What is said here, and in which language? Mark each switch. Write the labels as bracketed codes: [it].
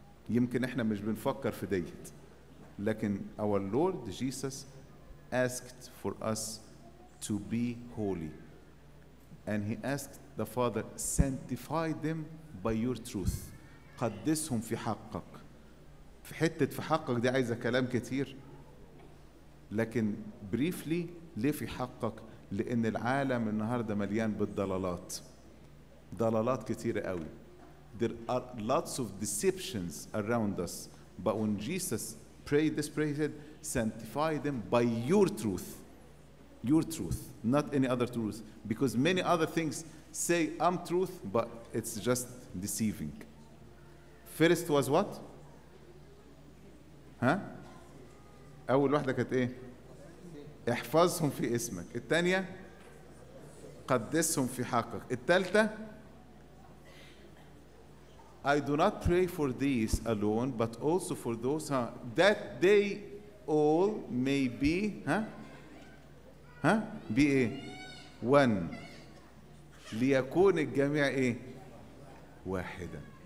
[ar] يمكن احنا مش بنفكر في ديت، لكن [en] our Lord Jesus asked for us to be holy, and he asked the Father, sanctify them by your truth. [ar] قدسهم في حقك. في حتة في حقك دي عايزة كلام كتير، لكن briefly، ليه في حقك؟ لأن العالم النهاردة مليان بالضلالات، ضلالات كتيرة قوي. [en] There are lots of deceptions around us. But when Jesus prayed this prayer, he said, sanctify them by your truth. Your truth, not any other truth. Because many other things say I'm truth, but it's just deceiving. First was what? [ar] ها؟ أول واحدة كانت إيه؟ احفظهم في اسمك. الثانية قدسهم في حقك. [en] الثالثة I do not pray for these alone but also for those that they all may be be إيه؟ one [ar] ليكون الجميع إيه؟ واحدا.